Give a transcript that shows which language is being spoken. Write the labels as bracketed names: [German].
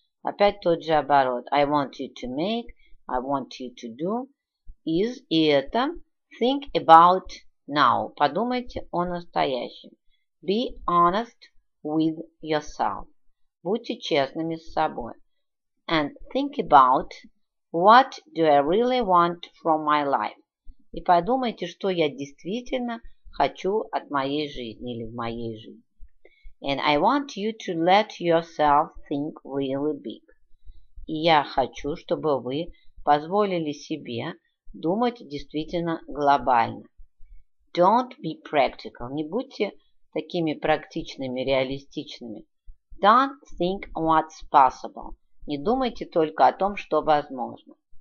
[Russian] Опять тот же оборот. [English] I want you to make. I want you to do. Is. [Russian] И это. [English] Think about now. [Russian] Подумайте о настоящем. [English] Be honest with yourself. [Russian] Будьте честными с собой. [English] And think about what do I really want from my life. [Russian] И подумайте, что я действительно хочу от моей жизни или в моей жизни. [English] And I want you to let yourself think really big. [Russian] И я хочу, чтобы вы позволили себе думать действительно глобально. [English] Don't be practical. [Russian] Не будьте такими практичными, реалистичными. [English] Don't think what's possible. [Russian] Не думайте только о том, что возможно.